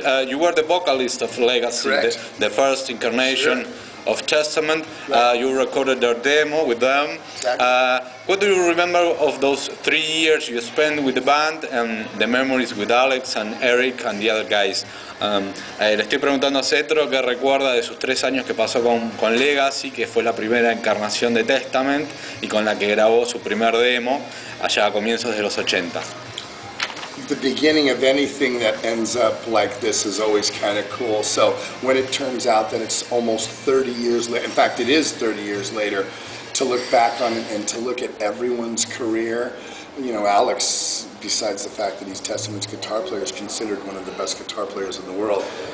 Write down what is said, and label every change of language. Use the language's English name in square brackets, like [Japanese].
[English] You were the vocalist of Legacy, the first incarnation. Sure. Of Testament, right. You recorded their demo with them. Exactly. What do you remember of those 3 years you spent with the band and the memories with Alex and Eric and the other guys? [Spanish] Le estoy preguntando a Cetro qué recuerda de sus 3 años que pasó con Legacy, que fue la primera encarnación de Testament y con la que grabó su primer demo allá a comienzos de los 80. [English] The beginning of anything that ends up like this is always kind of cool. So when it turns out that it's almost 30 years later, in fact it is 30 years later, to look back on it and to look at everyone's career, you know, Alex, besides the fact that he's Testament's guitar player, is considered one of the best guitar players in the world.